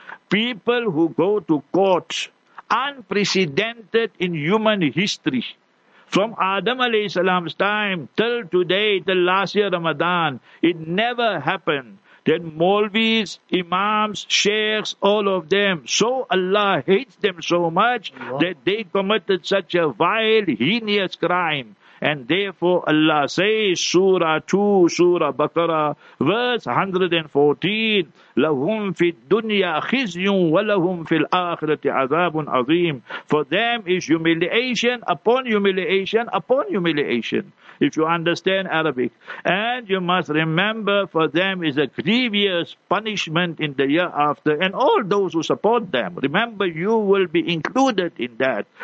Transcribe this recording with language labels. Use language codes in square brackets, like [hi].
[en] People who go to court, unprecedented in human history, from Adam alayhi salam's time till today, till last year Ramadan, it never happened that Maulvis, Imams, Sheikhs, all of them, so Allah hates them so much that they committed such a vile, heinous crime. And therefore Allah says, Surah 2, Surah Baqarah, verse 114, [ar] لَهُمْ فِي الدُّنْيَا خِزْيٌ وَلَهُمْ فِي الْآخِرَةِ عَذَابٌ عَظِيمٌ. [en] For them is humiliation upon humiliation upon humiliation, if you understand Arabic. And you must remember, for them is a grievous punishment in the year after. And all those who support them, remember, you will be included in that.